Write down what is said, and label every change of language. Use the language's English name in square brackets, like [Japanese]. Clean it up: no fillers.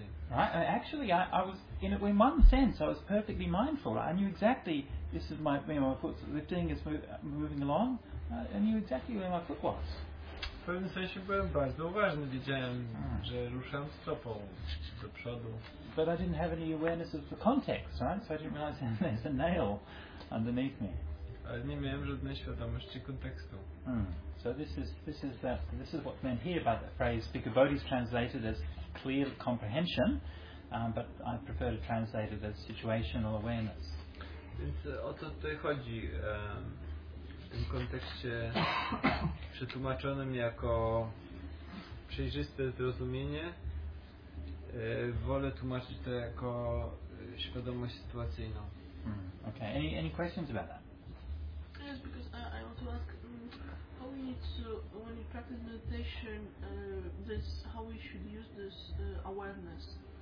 [English] Right, in one sense I was perfectly mindful. I knew exactly this is my foot's lifting, it's moving along. I knew exactly where my foot was. [Polish] W pewnym sensie byłem bardzo uważny, widziałem, że ruszam stopą do przodu. [English] But I didn't have any awareness of the context, right? So I didn't realize there's a nail underneath me. [Polish] Ale nie miałem żadnej świadomości kontekstu. [English] So this is what's meant here by the phrase Bhikkhu Bodhi is translated as clear comprehension, but I prefer to translate it as situational awareness. [Polish] Więc o co tutaj chodzi? W tym kontekście przetłumaczonym jako przejrzyste zrozumienie, wolę tłumaczyć to jako świadomość sytuacyjną. [English] Okay. Any questions about that? Yes, because I want to ask how we need to, when we practice meditation, this how we should use this awareness.